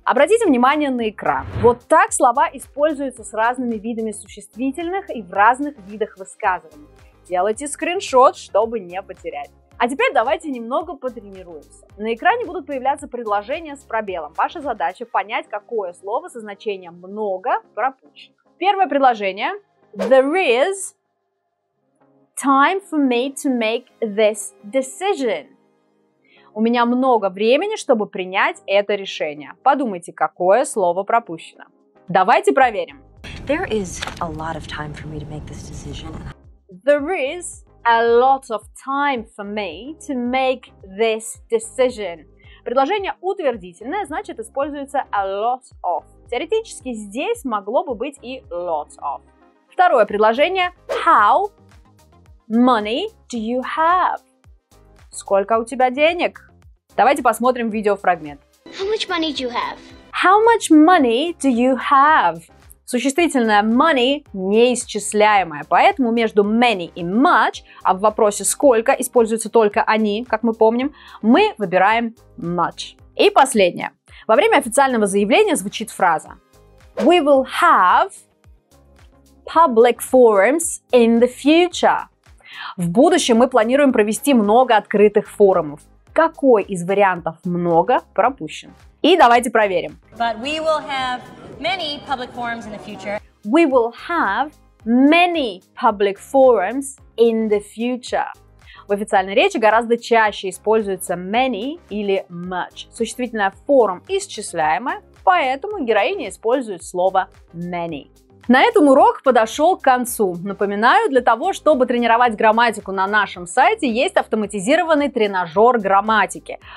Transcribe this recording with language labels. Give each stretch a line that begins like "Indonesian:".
Russian: Обратите внимание на экран. Вот так слова используются с разными видами существительных и в разных видах высказываний. Делайте скриншот, чтобы не потерять. А теперь давайте немного потренируемся. На экране будут появляться предложения с пробелом. Ваша задача понять, какое слово со значением «много» пропущено. Первое предложение.
English: There is time for me to make this decision.
Russian: У меня много времени, чтобы принять это решение. Подумайте, какое слово пропущено. Давайте проверим.
English: There is a lot of time for me to make this decision. There is a lot of time for me to make this decision.
Russian: Предложение утвердительное, значит, используется a lot of. Теоретически здесь могло бы быть и lots of. Второе предложение.
English: How money do you have?
Russian: Сколько у тебя денег? Давайте посмотрим видеофрагмент.
English: How much money do you have? How much money do you have?
Russian: Существительное money неисчисляемое, поэтому между many и much, а в вопросе сколько используются только они, как мы помним, мы выбираем much. И последнее. Во время официального заявления звучит фраза:
English: We will have public forums in the future.
Russian: В будущем мы планируем провести много открытых форумов. Какой из вариантов много пропущен? И давайте проверим.
English: But we will have many public forums in the future. We will have many public forums in the future.
Russian: В официальной речи гораздо чаще используется many или much. Существительное форум исчисляемое, поэтому героиня использует слово many. На этом урок подошел к концу. Напоминаю, для того, чтобы тренировать грамматику на нашем сайте, есть автоматизированный тренажер грамматики.